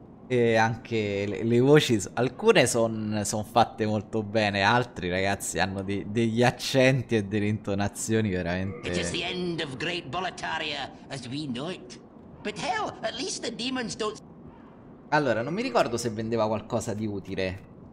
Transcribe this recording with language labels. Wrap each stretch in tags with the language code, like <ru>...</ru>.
<it>E anche le voci, alcune son fatte molto bene, altri ragazzi hanno degli accenti e delle intonazioni veramente.</it> <en>It is the end of great Boletaria as we know it. But hell, at least the demons don't.</en> <it>Allora, non mi ricordo se vendeva qualcosa di utile.</it>